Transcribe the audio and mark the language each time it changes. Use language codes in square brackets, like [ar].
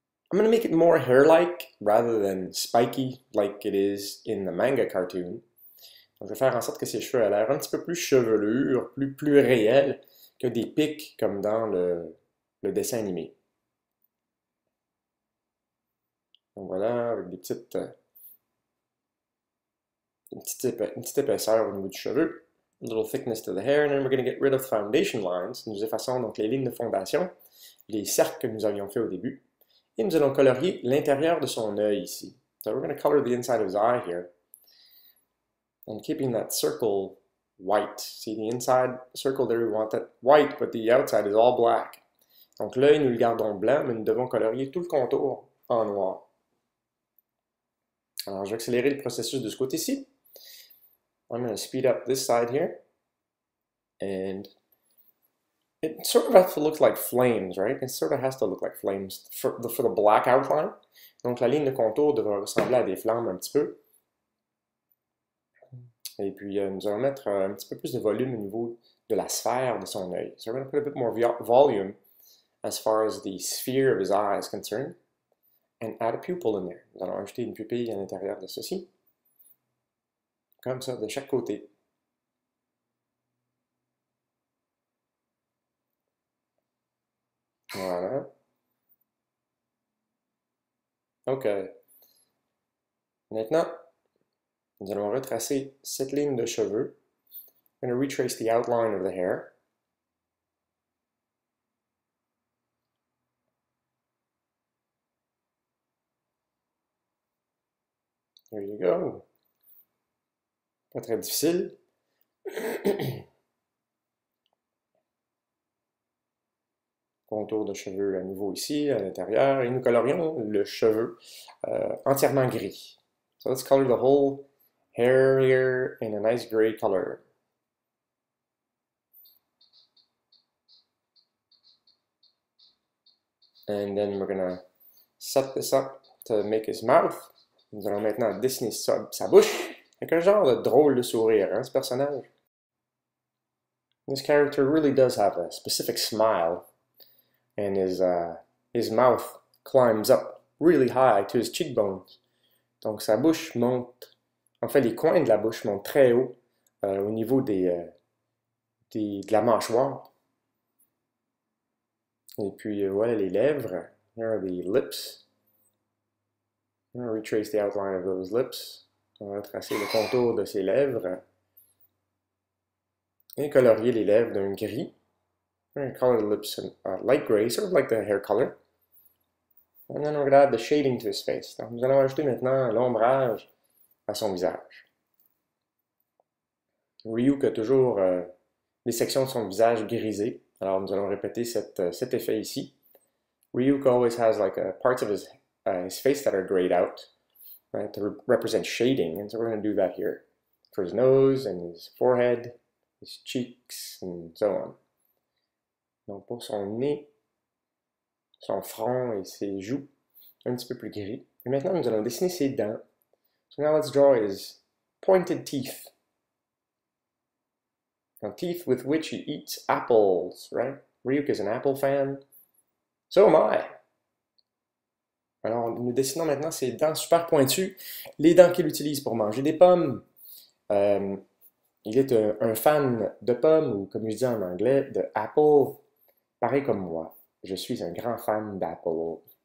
[en] I'm going to make it more hair-like rather than spiky like it is in the manga cartoon. [fr] Donc, je vais faire en sorte que ses cheveux aient l'air un petit peu plus chevelure, plus réel que des pics comme dans le dessin animé. Donc voilà, avec des petites... Une petite épaisseur au niveau du cheveu. [en] A little thickness to the hair, and then we're going to get rid of foundation lines. [fr] Nous effaçons donc les lignes de fondation, les cercles que nous avions fait au début. Et nous allons colorier l'intérieur de son œil ici. [en] So we're going to color the inside of his eye here. And keeping that circle white. See the inside circle there, we want that white, but the outside is all black. [fr] Donc l'œil, nous le gardons blanc, mais nous devons colorier tout le contour en noir. Alors, je vais accélérer le processus de ce côté-ci. [en] I'm going to speed up this side here, and it sort of has to look like flames, right? It sort of has to look like flames for the black outline. [fr] Donc la ligne de contour devrait ressembler à des flammes un petit peu. Et puis nous allons mettre un petit peu plus de volume au niveau de la sphère de son œil. [en] So we're going to put a bit more volume as far as the sphere of his eye is concerned, and add a pupil in there. [fr] Nous allons ajouter une pupille à l'intérieur de ceci. Comme ça, de chaque côté. Voilà. OK. Maintenant, nous allons retracer cette ligne de cheveux. [en] I'm going to retrace the outline of the hair. There you go. [fr] Pas très difficile. Contour de cheveux à nouveau ici, à l'intérieur, et nous colorions le cheveu entièrement gris. [en] So let's color the whole hair here in a nice gray color. And then we're gonna set this up to make his mouth. [fr] Nous allons maintenant dessiner sa bouche avec un genre de drôle de sourire, hein, ce personnage. [en] This character really does have a specific smile. And his mouth climbs up really high to his cheekbones. [fr] Donc sa bouche monte, en fait les coins de la bouche montent très haut au niveau de la mâchoire. Et puis voilà les lèvres. [en] Here are the lips. I'm going to retrace the outline of those lips. [fr] On va tracer le contour de ses lèvres. Et colorier les lèvres d'un gris. [en] We're going to color the lips in a light gray, sort of like the hair color. And then we're going to add the shading to his face. [fr] Donc, nous allons ajouter maintenant l'ombrage à son visage. Ryuk a toujours des sections de son visage grisées. Alors, nous allons répéter cet effet ici. [en] Ryuk always has like parts of his face that are grayed out, right, to represent shading. And so we're going to do that here for his nose and his forehead, his cheeks, and so on. [fr] Donc pour son nez, son front et ses joues, un petit peu plus gris. Et maintenant, nous allons dessiner ses dents. [en] So now let's draw his pointed teeth. The teeth with which he eats apples, right? Ryuk is an apple fan. So am I. [fr] Alors, nous dessinons maintenant ses dents super pointues. Les dents qu'il utilise pour manger des pommes. Il est un fan de pommes, ou comme je dis en anglais, de apple. Pareil comme moi, je suis un grand fan d'Apple.